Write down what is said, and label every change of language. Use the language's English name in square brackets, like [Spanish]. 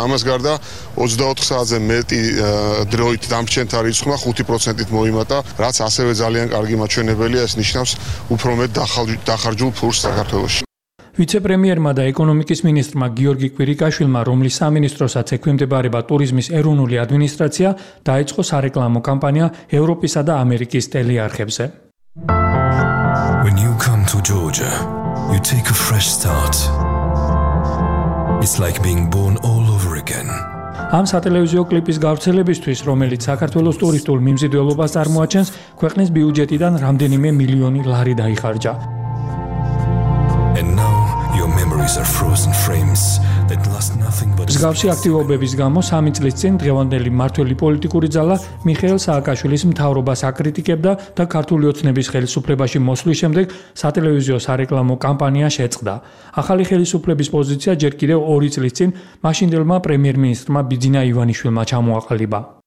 [Georgian] ამას გარდა 24 საათზე მეტი დროით დამჩენთა რიცხვმა 5%-ით მოიმატა, რაც ასევე ძალიან კარგი მაჩვენებელია, ეს ნიშნავს უფრო მეტ დახარჯულ ფულს საქართველოში. ვიცე-პრემიერმა და ეკონომიკის მინისტრმა გიორგი კვირიკაშვილმა, რომლის სამინისტროსაც ექვემდებარება ტურიზმის ეროვნული ადმინისტრაცია, დაიწყო სარეკლამო კამპანია ევროპისა და ამერიკის ტელეარხებზე. [English] When you come to Georgia, you take a fresh start. It's like being born all over again. [Georgian] ამ სატელევიზიო კლიპის გავრცელებისთვის, რომელიც საქართველოს ტურისტულ მიმზიდველობას წარმოაჩენს, ქვეყნის ბიუჯეტიდან რამდენიმე მილიონი ლარი დაიხარჯა. [English] And now your memories are frozen frames that and last nothing but [Georgian] მსგავსი აქტივობების გამო 3 წლის წინ დღევანდელი მართველი პოლიტიკური ძალა მიხეილ სააკაშვილის მთავრობას აკრიტიკებდა და ქართული ოცნების ხელისუფლებაში მოსვლის შემდეგ სატელევიზიო სარეკლამო კამპანია შეწყდა. ახალი ხელისუფლების პოზიცია ჯერ კიდევ 2 წლის წინ მაშინდელმა პრემიერ-მინისტრმა ბიძინა ივანიშვილმა ჩამოაყალიბა.